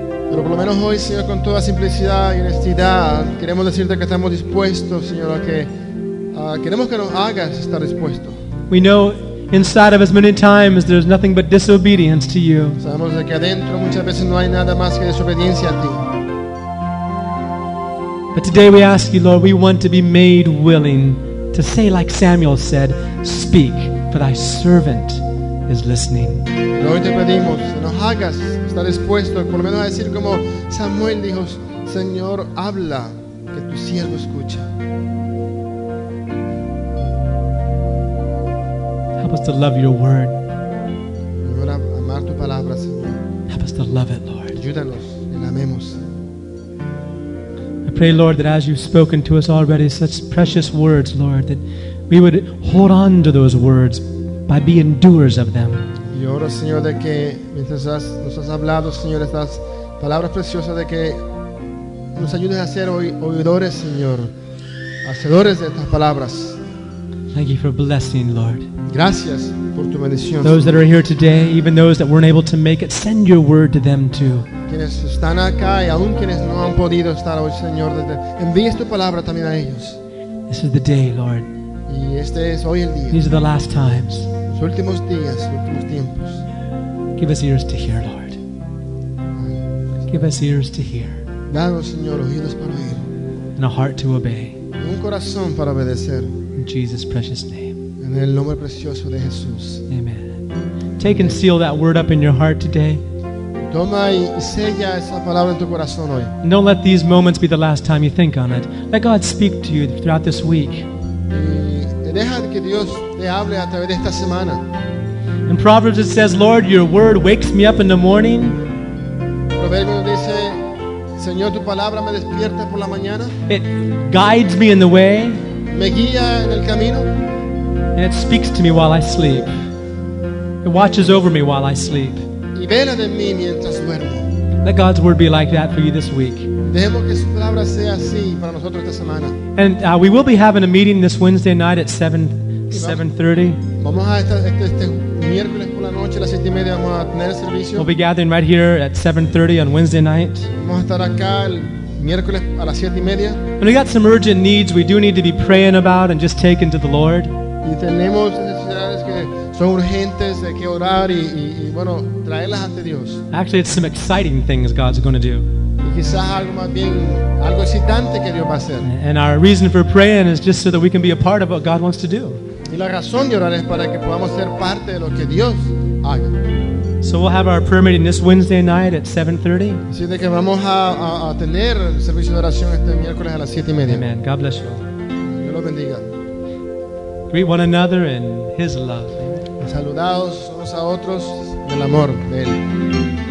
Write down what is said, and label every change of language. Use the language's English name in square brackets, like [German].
[Spanish] Pero por lo menos hoy, Señor, con toda simplicidad y honestidad, queremos decirte que estamos dispuestos, Señor, a que queremos que nos hagas esta respuesta. [English] We know inside of us many times there's nothing but disobedience to you. [Spanish] Sabemos que adentro muchas veces no hay nada más que desobediencia a ti. [English] But today we ask you, Lord, we want to be made willing to say like Samuel said, speak, for thy servant is listening. [Spanish] Hoy te pedimos que nos hagas estar dispuesto, por lo menos a decir como Samuel dijo, Señor, habla, que tu siervo escucha. [English] Help us to love your word. [Spanish] Señor, amar tu palabra, Señor. [English] Help us to love it, Lord. [Spanish] Ayúdanos y la amemos. [English] I pray, Lord, that as you've spoken to us already, such precious words, Lord, that we would hold on to those words by being doers of them. [Spanish] Y oro, Señor, de que mientras nos has hablado, Señor, estas palabras preciosas, de que nos ayudes a ser oidores, Señor, hacedores de estas palabras. [English] Thank you for blessing, Lord. [Spanish] Gracias por tu bendición. [English] Those that are here today, even those that weren't able to make it, send your word to them too. [Spanish] Quienes están acá y aún quienes no han podido estar hoy, Señor, envíe tu palabra también a ellos. [English] This is the day, Lord. [Spanish] Y este es hoy el día. [English] These are the last times. [Spanish] Los últimos días, los últimos tiempos. [English] Give us ears to hear, Lord. Give us ears to hear. [Spanish] Danos, Señor, oídos para oír. [English] And a heart to obey. [Spanish] Y un corazón para obedecer. [English] In Jesus' precious name. [Spanish] En el nombre precioso de Jesús. [English] Amen. Take and seal that word up in your heart today. [Spanish] Toma y sella esa palabra en tu corazón hoy. [English] Don't let these moments be the last time you think on it. Let God speak to you throughout this week. [Spanish] Deja que Dios te hable a través de esta semana. [English] In Proverbs it says, Lord, your word wakes me up in the morning. [Spanish] Proverbios dice, Señor, tu palabra me despierta por la mañana. [English] It guides me in the way. [Spanish] Me guía en el camino. [English] And it speaks to me while I sleep. It watches over me while I sleep. [Spanish] Y vela de mí mientras duermo. [English] Let God's word be like that for you this week. [Spanish] Dejemos que su palabra sea así para nosotros esta semana. [English] And we will be having a meeting this Wednesday night at 7:30. [Spanish] Vamos a estar este miércoles por la noche a las 7 y media vamos a tener servicio. [English] We'll be gathering right here at 7:30 on Wednesday night. [Spanish] Vamos a estar acá el miércoles a las 7 y media. [English] And we got some urgent needs we do need to be praying about and just taking to the Lord. [Spanish] Y tenemos necesidades que son urgentes de que orar y bueno, traerlas ante Dios. [English] Actually, it's some exciting things God's going to do. [Spanish] Y quizás algo más bien, algo excitante que Dios va a hacer. [English] And our reason for praying is just so that we can be a part of what God wants to do. [Spanish] Y la razón de orar es para que podamos ser parte de lo que Dios haga. [English] So we'll have our prayer meeting this Wednesday night at 7:30. [Spanish] Así de que vamos a tener el servicio de oración este miércoles a las 7 y media. [English] Amen. God bless you. [Spanish] Dios los bendiga. [English] Greet one another in His love. [Spanish] Saludados unos a otros en el amor de Él.